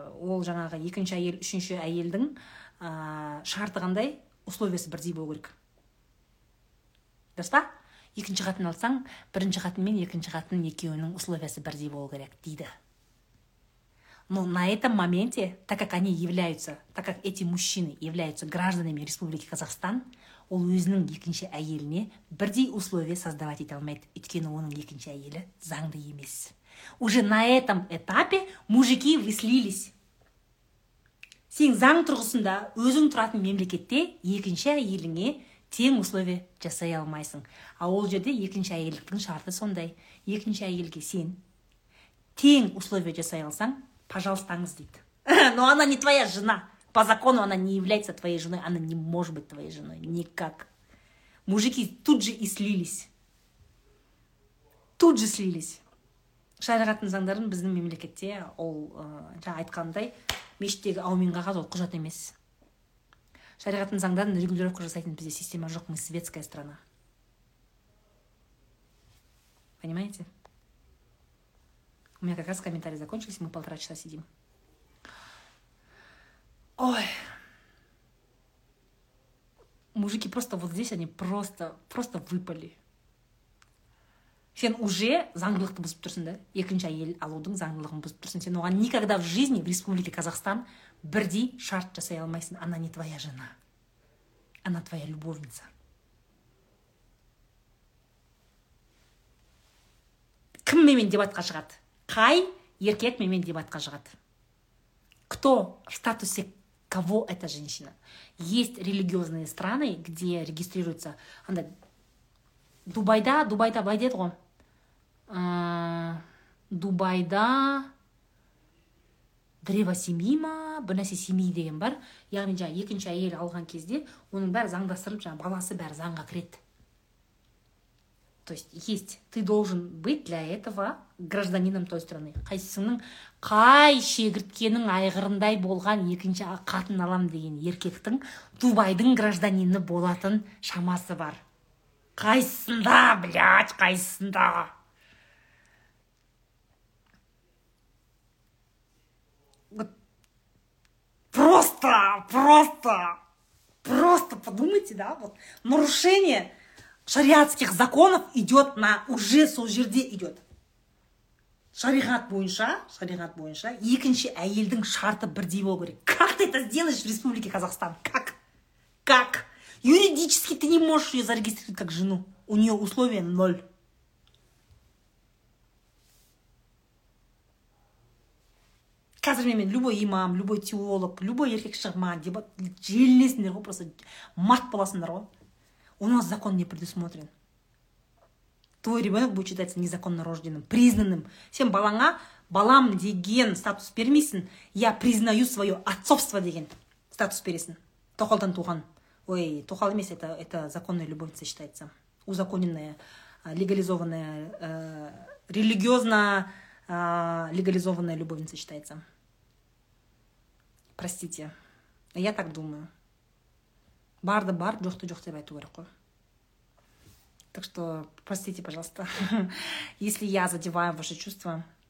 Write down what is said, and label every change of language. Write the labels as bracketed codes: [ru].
[kk] Ол жаңағы екінші әйел, үшінші әйелдің шарты қандай, условиясы бірдей болу керек. Дұрыс па? Екінші қатын алсаң, бірінші қатын мен екінші қатын екеуінің условиясы бірдей болу керек дейді. [ru] Но на этом моменте, так как они являются, так как эти мужчины являются гражданами Республики Казахстан, [kk] ол өзінің екінші әйеліне бірдей [ru] условия создавать [kk] ете алмайды. Өйткені оның екінші әйелі заңды емес. [ru] Уже на этом этапе мужики выслились. [kk] Сен заң тұрғысында өзің тұратын мемлекетте екінші әйеліңе тең условия жасай алмайсың. А ол жерде екінші әйелдің шарты сондай. Екінші әйелге сен тең условия жасай алсаң, пожалуйстаңыз дейді. [ru] Но она не твоя жена. По закону она не является твоей женой. Она не может быть твоей женой. Никак. Мужики тут же и слились. Тут же слились. [kk] Шариғаттың заңдарын біздің мемлекетте ол жаңа айтқандай, мешіттегі аумин қағаз ол құжат емес. Шариғаттың заңдарын регулировка жасайтын бізде система жоқ. [ru] Мы светская страна. Понимаете? У меня как раз комментарии закончились, мы полтора часа сидим. Ой. Мужики просто вот здесь, они просто выпали. [kk] Сен [ru] уже [kk] заңдылықты бұзып тұрсың, да? Екінші әйел алудың заңдылығын бұзып тұрсың. Сен оған [ru] никогда в жизни в Республике Казахстан [kk] бірдей шарт жасай алмайсың. [ru] Она не твоя жена. Она твоя любовница. [kk] Кім мен дебатқа шығады? Қай еркек менмен дебатқа шығады? [ru] Кто в статусе кого эта женщина? Есть религиозные страны, где регистрируется [kk] анда Дубайда былай деді ғой. Дубайда [ru] древо семьи [kk] ма, бір нәрсе семьи деген бар. Яғни жаңа екінші әйел алған кезде оның бәрі заңдастырылып, жаңа баласы бәрі заңға кіреді. [ru] То есть ты должен быть для этого гражданином той страны. [kk] Қайсысының, қай шегірткенің айғырындай болған екінші қатын алам деген еркектің Дубайдың гражданины болатын шамасы бар. Қайсысында, блядь, қайсысында. [ru] Просто подумайте, да, вот нарушение шариатских законов идет на уже [kk] сол жерде [ru] идет. [kk] Шариғат бойынша, екінші әйелдің шарты бірдей болу керек. [ru] Как ты это сделаешь в Республике Казахстан? Как? Как? Юридически ты не можешь ее зарегистрировать как жену. У нее условия ноль. [kk] Қазір мен [ru] любой имам, любой теолог, любой [kk] еркек шығыман, желесіндер ғой, [ru] просто мат [kk] боласындар ғой. [ru] У нас закон не предусмотрен. Твой ребенок будет считаться незаконно рожденным, признанным. [kk] Сен балаңа, балам деген статус бермейсің, [ru] я признаю свое отцовство [kk] деген статус бересің. Тоқалдан туған. Ой, тоқал емес, [ru] это законная любовница считается. Узаконенная, легализованная, религиозно легализованная любовница считается. Простите, я так думаю. [kk] Барды бар, жоқты жоқ деп айту керек қой. [ru] Так что простите, пожалуйста, если я задеваю ваши чувства.